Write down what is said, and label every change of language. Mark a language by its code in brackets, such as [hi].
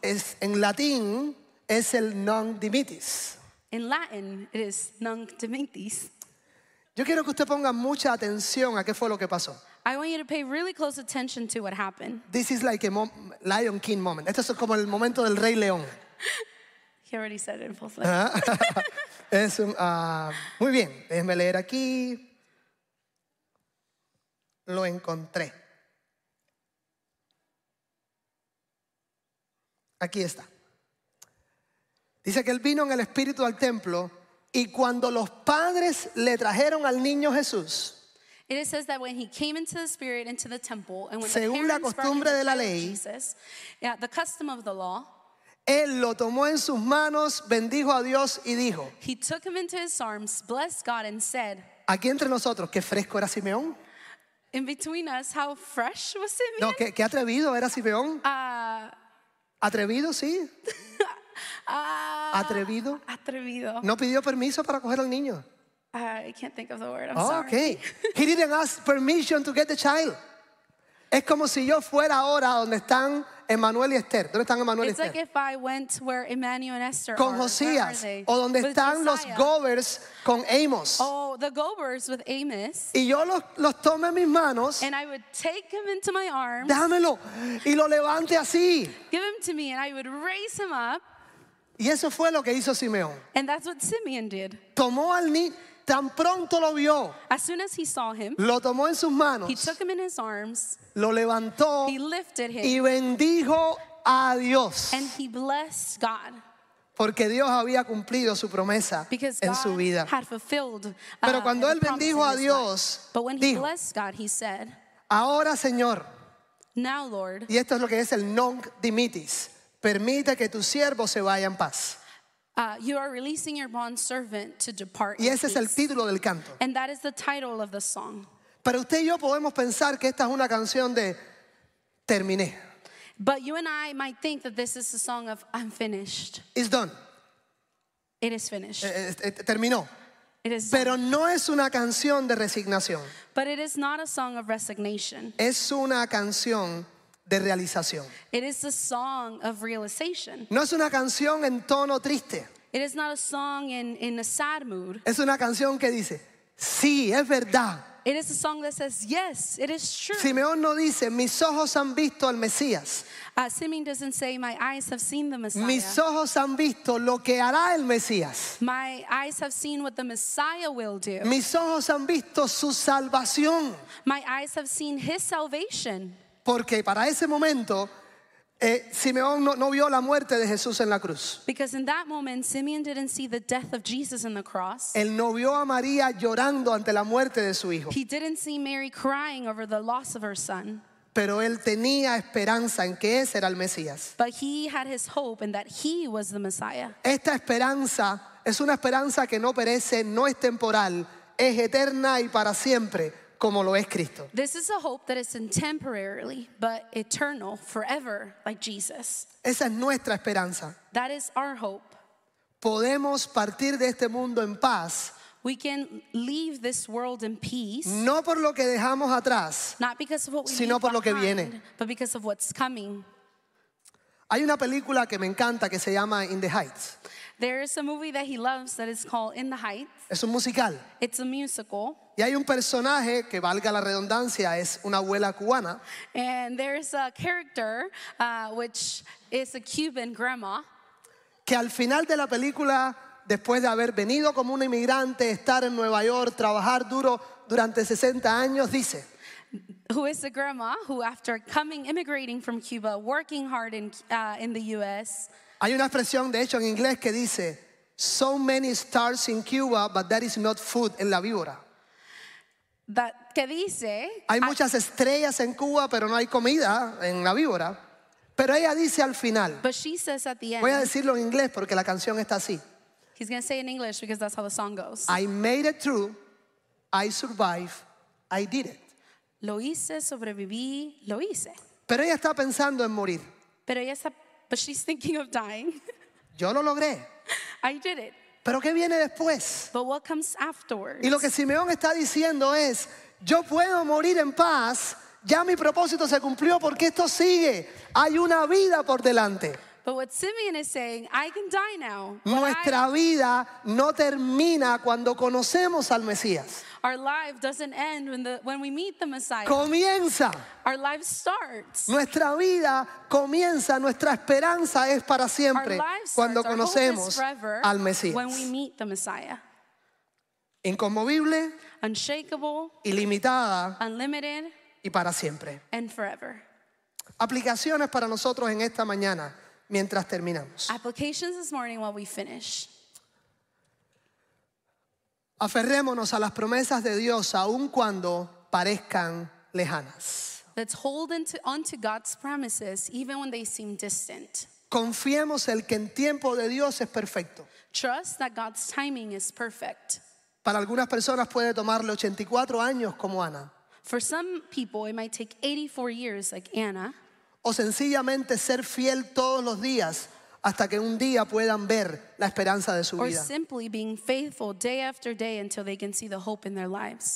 [es] Es en latín, es el Nunc Dimittis. [en] In Latin, it is Nunc Dimittis. [es] Yo quiero que usted ponga mucha atención a qué fue lo que pasó. [en] I want you to pay really close attention to what happened. This is like a Lion King moment. [es] Esto es como el momento del Rey León. [en] He already said it in full. [es] Es un, muy bien, déjeme leer aquí. Lo encontré. Aquí está. Dice que él vino en el espíritu al templo. Y cuando los padres le trajeron al niño Jesús, [en] it says that when he came into the spirit into the temple, and when [es] según [en] the [es] la costumbre de la ley, [en] Jesus, yeah, the custom of the law, [es] él lo tomó en sus manos, bendijo a Dios y dijo, [en] he took him into his arms, blessed God, and said, [es] aquí entre nosotros, qué fresco era Simeón. [en] In between us, how fresh was Simeón? [es] No, qué atrevido era Simeón. Atrevido, sí. Atrevido. No pidió permiso para coger al niño. [en] I can't think of the word. I'm sorry. Okay. He didn't ask permission to get the child. [es] Es como si yo fuera ahora donde están Emmanuel y Esther. ¿Dónde están Emmanuel y Esther? [en] It's like if I went where Emmanuel and Esther [es] con Josías o donde [en] with [es] están [en] Josiah. [es] Los Gobers con Amos. [en] Oh, the Gobers with Amos. [es] Y yo los tome en mis manos. [en] And I would take him into my arms. [es] Dámelo y lo levante así. [en] Give him to me and I would raise him up. [es] Y eso fue lo que hizo Simeón. [en] And that's what Simeon did. [es] Tomó al niño, tan pronto lo vio. [en] As soon as he saw him. [es] Lo tomó en sus manos. [en] He took him in his arms. [es] Lo levantó. [en] He lifted him. [es] Y bendijo a Dios. [en] And he blessed God. [es] Porque Dios había cumplido su promesa [en] because [es] en [en] God [es] su vida. [en] Had fulfilled, [es] pero cuando él bendijo a Dios, [en] but when he [es] dijo, [en] blessed God, he said, [es] ahora Señor. [en] Now Lord. [es] Y esto es lo que es el Nunc Dimittis. Permita que tu siervo se vaya en paz. [en] You are releasing your bond servant to depart. [es] Y ese es el título del canto. [en] And that is the title of the song. [es] Pero usted y yo podemos pensar que esta es una canción de terminé. [en] But you and I might think that this is a song of I'm finished. It's done. It is finished. [es] Terminó. [en] It is done. [es] Pero no es una canción de resignación. [en] But it is not a song of resignation. [es] Es una canción de realización. [en] It is a song of realization. [es] No es una canción en tono triste. [en] It is not a song in a sad mood. [es] Es una canción que dice, sí, es verdad. [en] It is a song that says, yes, it is true. [es] Simeón no dice, mis ojos han visto al Mesías. [en] Simeon doesn't say, my eyes have seen the Messiah. [es] Mis ojos han visto lo que hará el Mesías. [en] My eyes have seen what the Messiah will do. [es] Mis ojos han visto su salvación. [en] My eyes have seen his salvation. [es] Porque para ese momento, Simeón no vio la muerte de Jesús en la cruz. [en] Because in that moment, Simeon didn't see the death of Jesus in the cross. [es] Él no vio a María llorando ante la muerte de su hijo. [en] He didn't see Mary crying over the loss of her son. [es] Pero él tenía esperanza en que ese era el Mesías. [en] But he had his hope in that he was the Messiah. [es] Esta esperanza es una esperanza que no perece, no es temporal, es eterna y para siempre. Como lo es Cristo. [en] This is a hope that is temporarily but eternal, forever, like Jesus. [es] Esa es nuestra esperanza. [en] That is our hope. [es] Podemos partir de este mundo en paz. [en] We can leave this world in peace. [es] No por lo que dejamos atrás, [en] not because of what we [es] sino por lo que viene. [en] But because of what's coming. [es] Hay una película que me encanta que se llama In the Heights. [en] There is a movie that he loves that is called In the Heights. [es] Es un musical. [en] It's a musical. [es] Y hay un personaje que valga la redundancia es una abuela cubana. [en] And there is a character which is a Cuban grandma. [es] Que al final de la película, después de haber venido como una inmigrante, estar en Nueva York, trabajar duro durante 60 años, dice. [en] Who is a grandma who after coming, immigrating from Cuba, working hard in the U.S. [es] Hay una expresión, de hecho, en inglés que dice, [en] so many stars in Cuba, but that is not food [es] en la víbora. That, que dice, hay muchas estrellas en Cuba, pero no hay comida en la víbora. Pero ella dice al final. [en] But she says at the end. [es] Voy a decirlo en inglés porque la canción está así. [en] He's going to say in English because that's how the song goes. I made it through. I survived. I did it. [es] Lo hice, sobreviví, lo hice. Pero ella está pensando en morir. Pero ella está, [en] but she's thinking of dying. [es] Yo lo logré. [en] I did it. [es] Pero qué viene después. [en] But what comes afterwards? [es] Y lo que Simeón está diciendo es, yo puedo morir en paz. Ya mi propósito se cumplió porque esto sigue. Hay una vida por delante. [en] But what Simeon is saying, I can die now. [es] Nuestra vida no termina cuando conocemos al Mesías. [en] Our life doesn't end when we meet the Messiah. [es] Comienza. [en] Our life starts. [es] Nuestra vida comienza, nuestra esperanza es para siempre cuando conocemos al Mesías. [en] When we meet the Messiah. [es] Inconmovible, [en] unshakable, [es] ilimitada, [en] unlimited, [es] y para siempre. [en] And forever. [es] Aplicaciones para nosotros en esta mañana. Mientras terminamos. [en] Applications this morning while we finish. [es] Aferrémonos a las promesas de Dios aun cuando parezcan lejanas. [en] Let's hold onto God's promises even when they seem distant. [es] Confiemos el que en tiempo de Dios es perfecto. [en] Trust that God's timing is perfect. [es] Para algunas personas puede tomarle 84 años como Ana. [en] For some people it might take 84 years like Anna. [es] O sencillamente ser fiel todos los días hasta que un día puedan ver la esperanza de su vida. [en] Or simply being faithful day after day until they can see the hope in their lives.